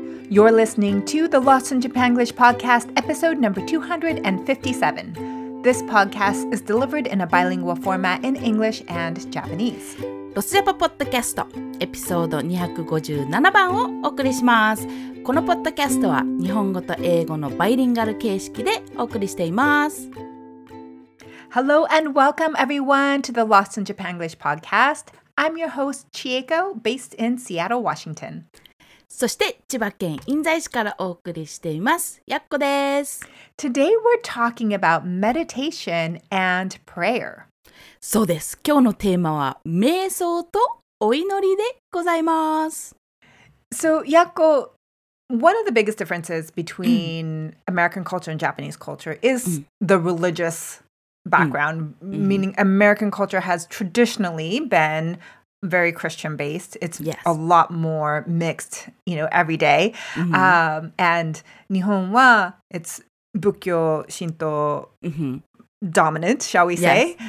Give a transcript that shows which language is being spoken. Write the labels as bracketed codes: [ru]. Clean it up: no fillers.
[en] You're listening to the Lost in Japanglish podcast, episode number 257. This podcast is delivered in a bilingual format in English and Japanese. [ja] ロスジャパポッドキャストエピソード257番をお送りします。このポッドキャストは日本語と英語のバイリンガル形式でお送りしています。 [en] Hello and welcome everyone to the Lost in Japanglish podcast. I'm your host Chieko, based in Seattle, Washington. [ja] そして千葉県印西市からお送りしています、やっこです。 [en] Today we're talking about meditation and prayer. [ja] そうです。今日のテーマは瞑想とお祈りでございます。 [en] So, Yakko, one of the biggest differences between American culture and Japanese culture is the religious background, meaning American culture has traditionally been very Christian-based. It's a lot more mixed, you know, every day. And [ja] 日本は [en] it's 仏教、神道、dominant, shall we say?